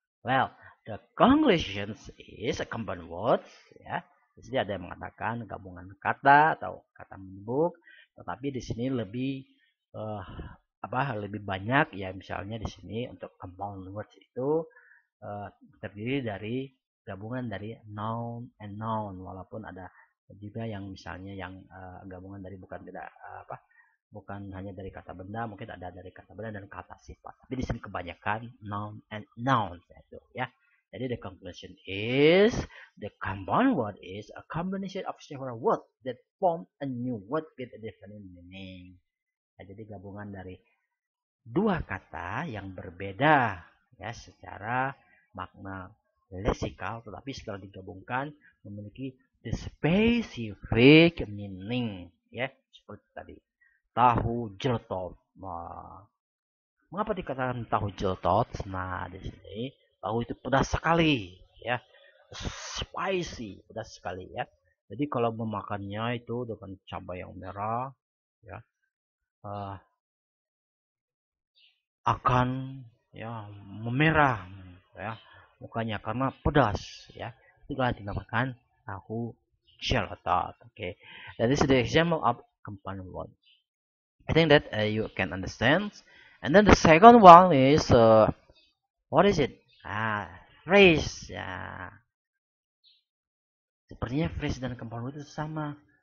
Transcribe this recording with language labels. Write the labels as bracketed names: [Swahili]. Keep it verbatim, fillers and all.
[English] Well, the conjugation is a compound word, ya. [Indonesian] Di sini ada yang mengatakan gabungan kata atau kata menyebut, tetapi di sini lebih uh, apa? Lebih banyak, ya, misalnya di sini untuk compound words itu uh, terdiri dari gabungan dari noun and noun, walaupun ada juga yang misalnya yang uh, gabungan dari bukan tidak uh, apa bukan hanya dari kata benda, mungkin ada dari kata benda dan kata sifat, tapi di sini kebanyakan noun and nouns, itu, ya. [English] Jadi the conclusion is the compound word is a combination of several words that form a new word with a different meaning. [Indonesian] Nah, jadi gabungan dari dua kata yang berbeda, ya, secara makna leksikal, tetapi setelah digabungkan memiliki [English] the specific meaning, [Indonesian] ya, seperti tadi tahu jeltot. Nah, mengapa dikatakan tahu jeltot? Nah, di sini tahu itu pedas sekali, ya, spicy, pedas sekali, ya. Jadi kalau memakannya itu dengan cabai yang merah, ya, uh, akan, ya, memerah, ya, mukanya karena pedas, ya. Itulah dinamakan tahu jeltot. [English] Okay, that is the example of compound word. I think that uh, you can understand. And then the second one is uh, what is it? [Indonesian] Ah, phrase. Ya. Sepertinya phrase dan compound word itu sama.